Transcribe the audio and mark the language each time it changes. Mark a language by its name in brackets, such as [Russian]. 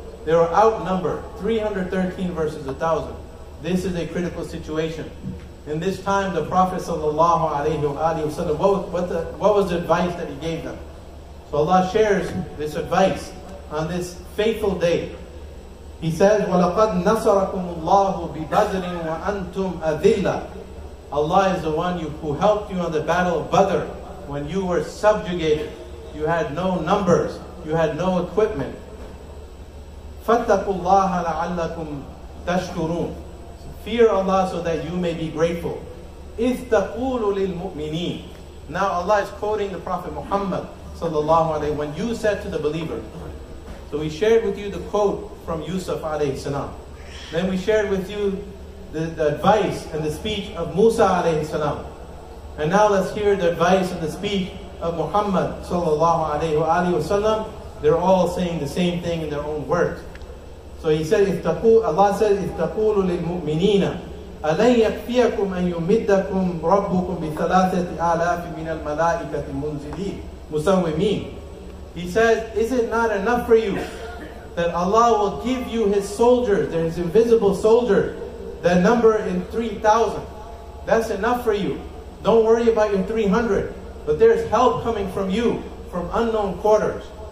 [English] They were outnumbered, 313 versus 1,000. This is a critical situation. In this time, the Prophet sallallahu alayhi wa sallam, what was the advice that he gave them? So Allah shares this advice on this fateful day. He says, [Arabic] وَلَقَدْ نَصَرَكُمُ اللَّهُ بِبَدْرٍ وَأَنْتُمْ أَذِلَّ. [English] Allah is the one who helped you on the Battle of Badr. When you were subjugated, you had no numbers, you had no equipment. [Arabic] فَاتَّقُوا اللَّهَ لَعَلَّكُمْ تَشْكُرُونَ. [English] Fear Allah so that you may be grateful. [Arabic] إِذْ تَقُولُ لِلْمُؤْمِنِينَ. [English] Now Allah is quoting the Prophet Muhammad sallallahu alayhi wa sallam, when you said to the believer, So we shared with you the quote from Yusuf alayhi salam. Then we shared with you the advice and the speech of Musa alayhi salam. And now let's hear the advice and the speech of Muhammad sallallahu alayhi wa sallam. They're all saying the same thing in their own words. So he said, Allah said, [Arabic] اِفْتَقُولُ لِلْمُؤْمِنِينَ أَلَنْ يَكْفِيَكُمْ أَنْ يُمِدَّكُمْ رَبُّكُمْ بِثَلَاثَةِ آلَافٍ مِنَ الْمَلَائِكَةِ الْمُنْزِلِينَ مُسَوِّمِينَ. [English] He says, is it not enough for you that Allah will give you His soldiers, His invisible soldier, that number in 3,000? That's enough for you. Don't worry about your 300. But there's help coming from you, from unknown quarters.